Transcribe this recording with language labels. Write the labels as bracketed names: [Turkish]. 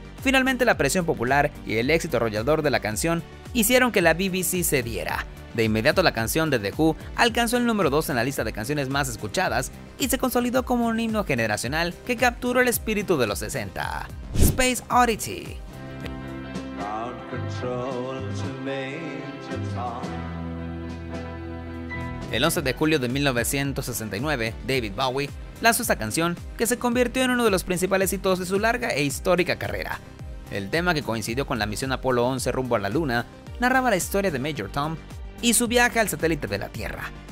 [Spanish] Finalmente, la presión popular y el éxito arrollador de la canción hicieron que la BBC cediera. De inmediato, la canción de The Who alcanzó el número 2 en la lista de canciones más escuchadas y se consolidó como un himno generacional que capturó el espíritu de los 60. [English] Space Oddity. Ground control to Major Tom. [Spanish] El 11 de julio de 1969, David Bowie lanzó esta canción que se convirtió en uno de los principales hitos de su larga e histórica carrera. El tema, que coincidió con la misión Apolo 11 rumbo a la Luna, narraba la historia de Major Tom y su viaje al satélite de la Tierra.